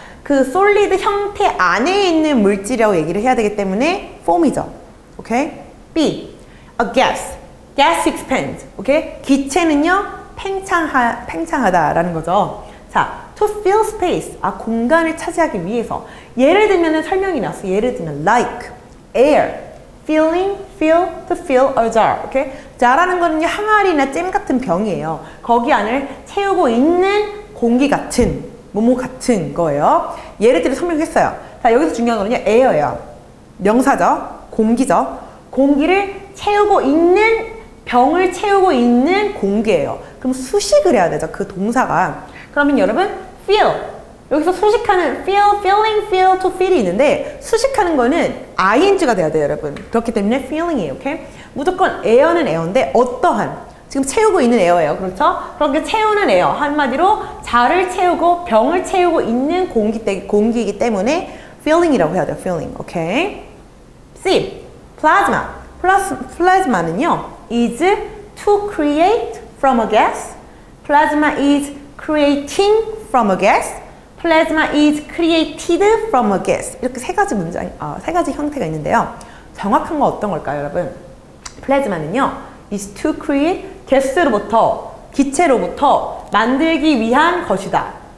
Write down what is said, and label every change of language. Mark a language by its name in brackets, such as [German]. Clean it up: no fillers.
[Korean] 그 솔리드 형태 안에 있는 물질이라고 얘기를 해야 되기 때문에 form이죠. [English] 오케이? B. A gas. Gas expands. 오케이? [Korean] 기체는요? 팽창하다 라는 거죠. 자, [English] to fill space. [Korean] 아, 공간을 차지하기 위해서. 예를 들면 설명이 나왔어. [English] 예를 들면 like, air, filling, fill, to fill a jar. [Korean] 오케이? jar라는 거는 항아리나 잼 같은 병이에요. 거기 안을 채우고 있는 공기 같은, 뭐뭐 같은 거예요. 예를 들어 설명했어요. 자, 여기서 중요한 거는요, air예요. 명사죠. 공기죠. 공기를 채우고 있는 병을 채우고 있는 공기예요. 그럼 수식을 해야 되죠, 그 동사가. 그러면 여러분, fill. 여기서 수식하는 fill, filling, fill, to fill이 있는데 수식하는 거는 ing가 돼야 돼요, 여러분. 그렇기 때문에 filling이에요, 오케이? 무조건 air는 air인데 어떠한, 지금 채우고 있는 air예요, 그렇죠? 그러니까 채우는 air, 한마디로 자를 채우고 병을 채우고 있는 공기이기 때문에 filling이라고 해야 돼요, filling, 오케이? [English] C, plasma. Plasma는요, is to create from a gas. Plasma is creating from a gas. Plasma is created from a gas. [Korean] 이렇게 세 가지 형태가 있는데요. 정확한 건 어떤 걸까요, 여러분? Plasma는요, [English] is to create [Korean] gas로부터, 기체로부터 만들기 위한 것이다.